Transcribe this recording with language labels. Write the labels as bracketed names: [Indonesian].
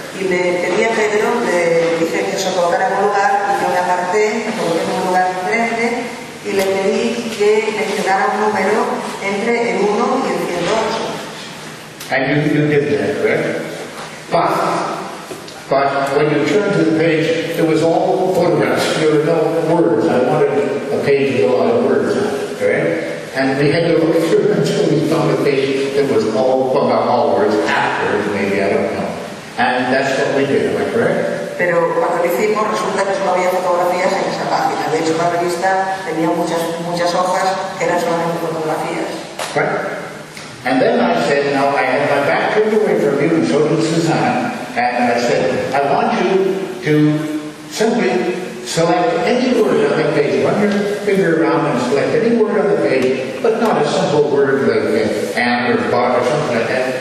[Spanish] Y le pedí a Pedro, le dije que se colocara en un lugar, y yo me aparté, porque es un lugar diferente, y le pedí que mencionara un número entre el 1 y el 108. [English] And you did that, correct? Right? But when you turned to the page, it was all photographs. There were no words. I wanted a page with a lot of words, correct? Right? And we had to look through until we found a page that was all about all words, afterwards maybe, I don't know. And that's what we did, am I correct? [Spanish] Pero cuando lo hicimos, resulta que solo había fotografías en esa página. De hecho, la revista tenía muchas hojas que eran solamente fotografías. [English] Right. And then I said, now I had my back turned away from you, and so did Susanna. And I said, I want you to simply select any word on the page. Run your finger around and select any word on the page, but not a simple word like am or but or something like that.